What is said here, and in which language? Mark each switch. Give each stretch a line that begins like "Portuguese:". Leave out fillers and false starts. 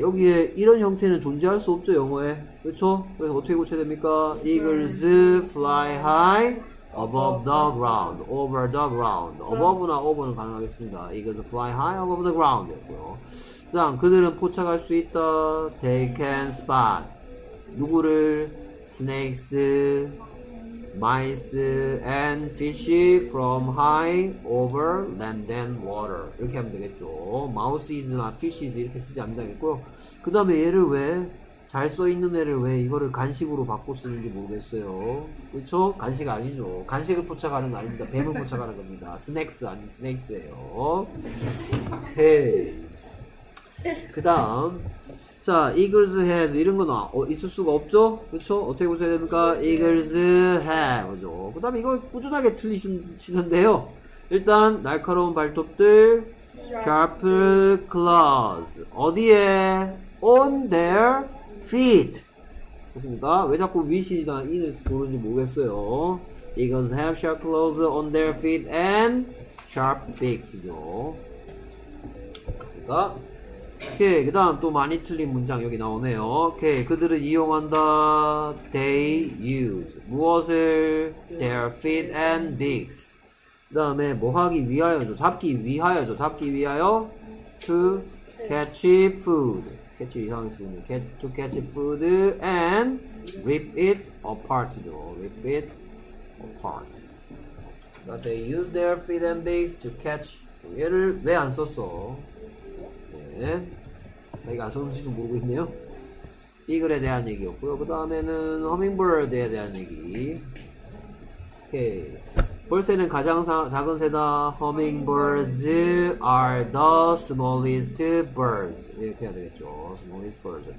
Korean: 여기에 이런 형태는 존재할 수 없죠, 영어에. 그렇죠? 그래서 어떻게 고쳐야 됩니까?
English: Eagles fly high above the ground. Over the ground. Above나 over는
Korean: 가능하겠습니다.
English: Eagles fly high above the ground.
Korean: 였고요. 그 다음, 그들은 포착할 수 있다.
English: They can spot.
Korean: 누구를?
English: Snakes, mice, and fish from high over land and water.
Korean: 이렇게 하면 되겠죠.
English: Mouse is
Korean: 나
English: fish is
Korean: 이렇게 쓰지 않는다겠고요. 그 다음에 얘를 왜 잘 써 있는 애를 왜 이거를 간식으로 바꿔 쓰는지 모르겠어요. 그렇죠? 간식 아니죠. 간식을 포착하는 거 아닙니다. 뱀을 포착하는 겁니다. 스낵스 아닌 스낵스예요. 헤이. 그 다음 자
English: eagles has
Korean: 이런 거 나 있을 수가 없죠. 그렇죠? 어떻게 보셔야 됩니까?
English: eagles have
Korean: 그죠. 그 다음에 이거 꾸준하게 틀리시는데요. 일단 날카로운 발톱들
English: sharp claws
Korean: 어디에
English: on their feet
Korean: 좋습니다. 왜 자꾸 위신이나 인을 보는지 모르겠어요.
English: eagles have sharp claws on their feet and sharp beaks죠.
Korean: 좋습니다. 오케이. 그 다음 또 많이 틀린 문장 여기 나오네요. 오케이. 그들은 이용한다.
English: They use.
Korean: 무엇을?
English: Their feet and beaks.
Korean: 그 다음에 뭐 하기 위하여죠. 잡기 위하여죠. 잡기 위하여?
English: To catch food. Catch
Korean: 이상하게 쓰는 거.
English: To catch food and rip it apart죠. Rip it apart. But they use their feet and beaks to catch.
Korean: 얘를 왜 안 썼어? 네. 자기가 안 썼는지도 모르고 있네요. 이글에 대한 얘기였고요. 그 다음에는 허밍버드에 대한 얘기. 오케이. 벌새는 가장 작은 새다.
English: Hummingbirds are the smallest birds.
Korean: 이렇게 해야 되겠죠.
English: Smallest birds.